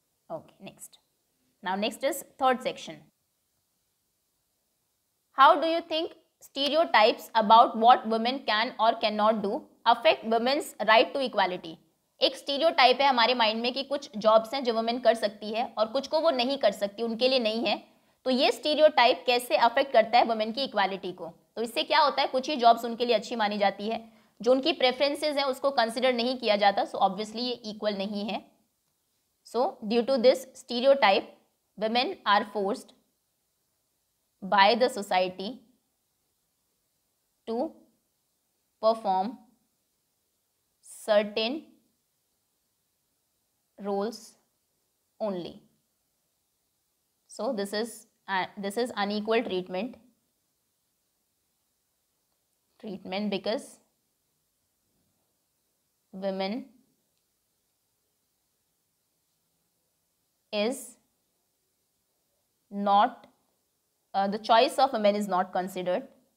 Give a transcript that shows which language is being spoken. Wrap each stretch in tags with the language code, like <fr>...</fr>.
<en>Okay, next. Now next is third section. How do you think stereotypes about what women can or cannot do affect women's right to equality?</en> <hi>एक stereotype है हमारे mind में कि कुछ jobs हैं जो women कर सकती है और कुछ को वो नहीं कर सकती, उनके लिए नहीं है. तो ये स्टीरियोटाइप कैसे अफेक्ट करता है वुमेन की इक्वालिटी को? तो इससे क्या होता है, कुछ ही जॉब्स उनके लिए अच्छी मानी जाती है, जो उनकी प्रेफरेंसेज हैं उसको कंसिडर नहीं किया जाता.</hi> <en>so obviously</en> <hi>ये इक्वल नहीं है.</hi> <en>So due to this stereotype women are forced by the society to perform certain roles only. So this is unequal treatment because women is not the choice of women is not considered</en>